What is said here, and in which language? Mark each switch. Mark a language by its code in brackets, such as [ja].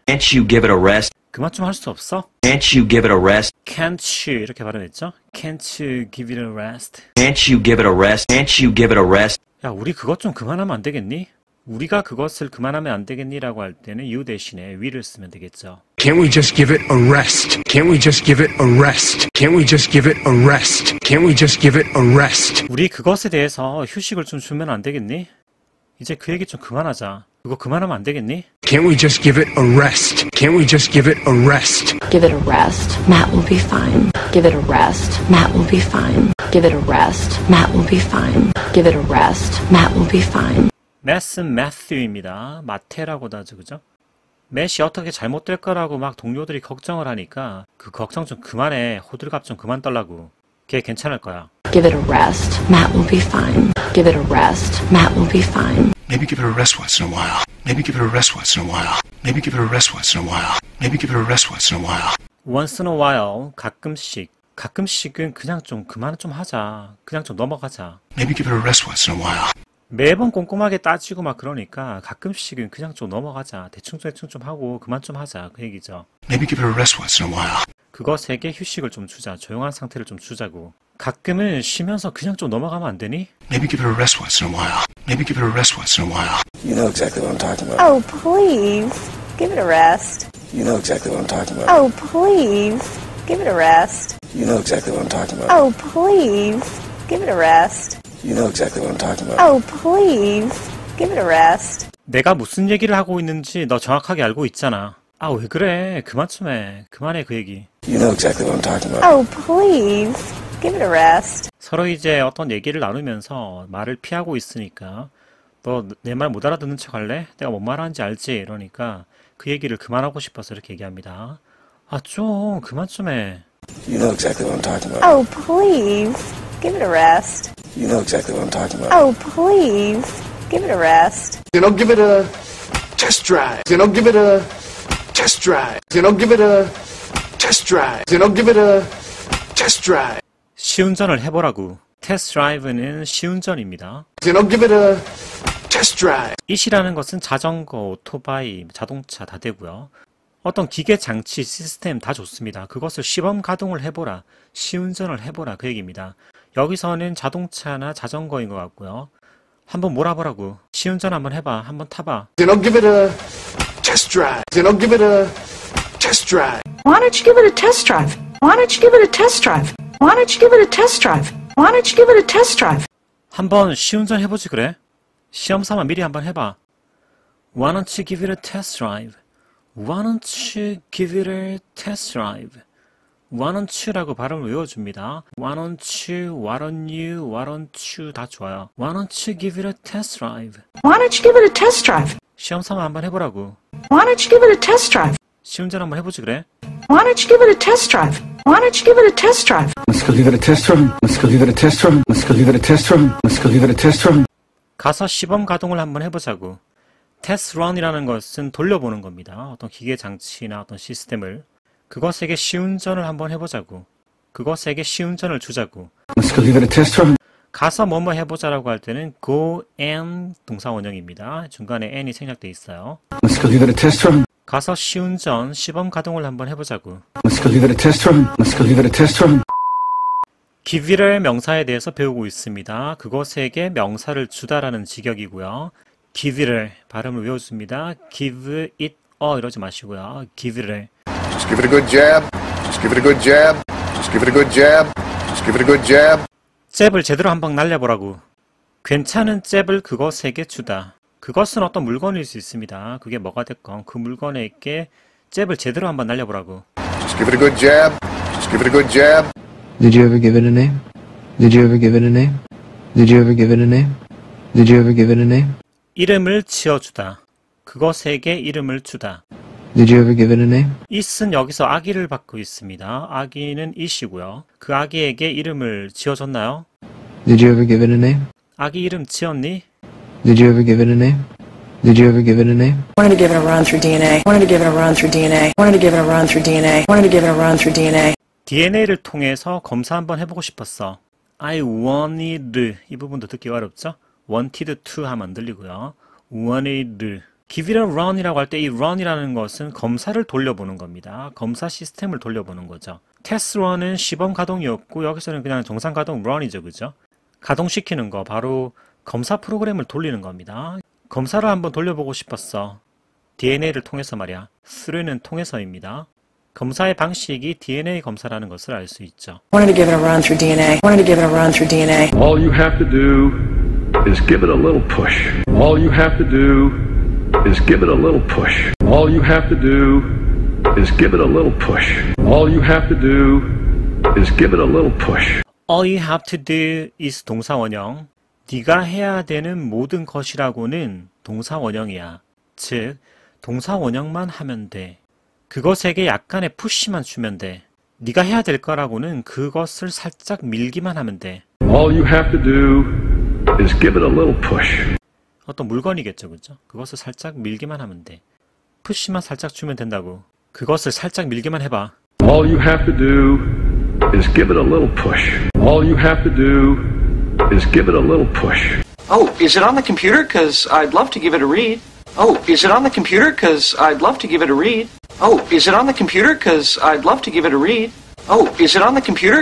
[en] Can't you give it a rest? [ko] 그만 좀할수 없어? [en] Can't you give it a rest? Can't you 이렇게 발음했죠? Can't you give it a rest? Can't you give it a rest? Can't you give it a rest? [ko] 야, 우리 그것 좀 그만하면 안 되겠니? 우리가 그것을 그만하면 안 되겠니라고 할 때는 you 대신에 we를 쓰면 되겠죠. [en] Can we just give it a rest? Can we just give it a rest? Can we just give it a rest? Can we just give it a rest? [ko] 우리 그것에 대해서 휴식을 좀 주면 안 되겠니? 이제 그 얘기 좀 그만하자. 그거 그만하면 안 되겠니? [en] Can we just give it a rest? Can we just give it a rest? Give it a rest. Matt will be fine. Give it a rest. Matt will be fine. Give it a rest. Matt will be fine. Give it a rest. Matt will be fine. [ko] Matt은 Matthew입니다. 마테라고도 하죠, 그죠? Matt이 어떻게 잘못될 거라고 막 동료들이 걱정을 하니까 그 걱정 좀 그만해. 호들갑 좀 그만 떨라고. 걔 괜찮을 거야. [en] Give it a rest. Matt will be fine. Give it a rest. Matt will be fine. Maybe give it a rest once in a while. Maybe give it a rest once in a while. Maybe give it a rest once in a while. Maybe give it a rest once in a while. Once in a while. 가끔씩. [ko] 가끔씩은 그냥 좀 그만 좀 하자. 그냥 좀 넘어가자. [en] Maybe give it a rest once in a while. [ko] 매번 꼼꼼하게 따지고 막 그러니까 가끔씩은 그냥 좀 넘어가자. 대충 좀 하고 그만 좀 하자. 그 얘기죠. [en] Maybe give it a rest once in a while. [ko] 그것에게 휴식을 좀 주자. 조용한 상태를 좀 주자고. 가끔은 쉬면서 그냥 좀 넘어가면 안 되니? [en] Maybe give it a rest once in a while. Maybe give it a rest once in a while. You know exactly what I'm talking about. Oh, please. Give it a rest. You know exactly what I'm talking about. Oh, please. Give it a rest. You know exactly what I'm talking about. Oh, please. Give it a rest. You know exactly what I'm talking about. Oh, please. Give it a rest. [ko] 내가 무슨 얘기를 하고 있는지 너 정확하게 알고 있잖아. 아, 왜 그래? 그만 좀 해. 그만해, 그 얘기. [en] You know exactly what I'm talking about. Oh, please. Give it a rest. [ko] 서로 이제 어떤 얘기를 나누면서 말을 피하고 있으니까 너내말못 알아듣는 척 할래? 내가 뭔 말하는지 알지? 이러니까 그 얘기를 그만하고 싶어서 이렇게 얘기합니다. 아, 좀 그만 좀 해. [en] You know exactly what I'm talking about. Oh, please. Give it a rest. You know exactly what I'm talking about. Oh, please. Give it a rest. You know, give it a test drive. You know, give it a test drive. You know, give it a test drive. You know, give it a test drive. [ko] 시운전을 해보라고. 테스트 드라이브는 시운전입니다. [en] You know, give it a test drive. [ko] It이라는 것은 자전거, 오토바이, 자동차 다 되고요. 어떤 기계 장치, 시스템 다 좋습니다. 그것을 시범 가동을 해보라. 시운전을 해보라. 그 얘기입니다. 여기서는 자동차나 자전거인 것 같고요. 한번 몰아보라고. 시운전 한번 해봐. 한번 타봐. [en] You know, give it a test drive. You know, give it a test drive. Why don't you give it a test drive? Why don't you give it a test drive? Why don't you give it a test drive? Why don't you give it a test drive? [ko] 한번 시운전 해보지 그래? 시험 삼아 미리 한번 해봐. [en] Why don't you give it a test drive? Why don't you give it a test drive? Why don't you [ko] 라고 발음을 외워줍니다. [en] Why don't you? Why don't you? Why don't you? [ko] 다 좋아요. [en] Why don't you give it a test drive? Why don't you give it a test drive? [ko] 시험 삼아 한번 해보라고. [en] Why don't you give it a test drive? [ko] 시운전 한번 해보지 그래? [en] Why don't you give it a test drive? Why don't you give it a test drive? Let's go give it a test run. Let's go give it a test run. Let's go give it a test run. Let's go give it a test run. [ko] 가서 시범 가동을 한번 해보자고. 테스트 런이라는 것은 돌려보는 겁니다. 어떤 기계 장치나 어떤 시스템을. 그것에게 시운전을 한번 해보자고. 그것에게 쉬운 전을 주자고. [en] Let's go give it a test run. [ko] 가서 뭐뭐 해보자라고 할 때는 go and 동사원형입니다. 중간에 and이 생략돼 있어요. [en] Let's go give it a test run. [ko] 가서 쉬운 전 시범 가동을 한번 해보자고. [en] Let's go give it a test run. Let's go give it a test run. [ko] Give it의 명사에 대해서 배우고 있습니다. 그것에게 명사를 주다라는 직역이고요. Give it을 발음을 외웠습니다. [en] Give it a [ko] 이러지 마시고요. [en] Give it을. Just give it a good jab. Just give it a good jab. Just give it a good jab. Just give it a good jab. [ko] 잽을 제대로 한방 날려보라고. 괜찮은 잽을 그것에게 주다. 그것은 어떤 물건일 수 있습니다. 그게 뭐가 됐건 그 물건에게 잽을 제대로 한번 날려보라고. [en] Just give it a good jab. Just give it a good jab. Did you ever give it a name? Did you ever give it a name? Did you ever give it a name? Did you ever give it a name? [ko] 이름을 지어주다. 그것에게 이름을 주다. [en] Did you ever give it a name? [ko] It은 여기서 아기를 받고 있습니다. 아기는 it이고요. 그 아기에게 이름을 지어줬나요? [en] Did you ever give it a name? [ko] 아기 이름 지었니? [en] Did you ever give it a name? Did you ever give it a name? Wanted to give it a run through DNA. Wanted to give it a run through DNA. Wanted to give it a run through DNA. Wanted to give it a run through DNA. [ko] DNA를 통해서 검사 한번 해보고 싶었어. [en] I wanted. [ko] 이 부분도 듣기 어렵죠? Wanted to 하면 안 들리고요. [en] Wanted. [ko] Give it a run이라고 할 때 이 run이라는 것은 검사를 돌려보는 겁니다. 검사 시스템을 돌려보는 거죠. Test run은 시범 가동이었고 여기서는 그냥 정상 가동 run이죠. 그죠? 가동시키는 거 바로 검사 프로그램을 돌리는 겁니다. 검사를 한번 돌려보고 싶었어. DNA를 통해서 말이야. Through는 통해서입니다. 검사의 방식이 DNA 검사라는 것을 알 수 있죠. [en] Wanted to give it a run through DNA. Wanted to give it a run through DNA. All you have to do is give it a little push. All you have to do is give it a little push. All you have to do is give it a little push. All you have to do is give it a little push. All you have to do is 동사원형. [ko] 네가 해야 되는 모든 것이라고는 동사원형이야. 즉, 동사원형만 하면 돼. 그것에게 약간의 푸시만 주면 돼. 네가 해야 될 거라고는 그것을 살짝 밀기만 하면 돼. [en] All you have to do is give it a little push. [ko] 어떤 물건이겠죠, 그죠? 그것을 살짝 밀기만 하면 돼. 푸시만 살짝 주면 된다고. 그것을 살짝 밀기만 해봐. [en] All you have to do is give it a little push. All you have to do is give it a little push. Oh, is it on the computer? Because I'd love to give it a read. Oh, is it on the computer? Because I'd love to give it a read. Oh, is it on the computer? Because I'd love to give it a read. Oh, is it on the computer?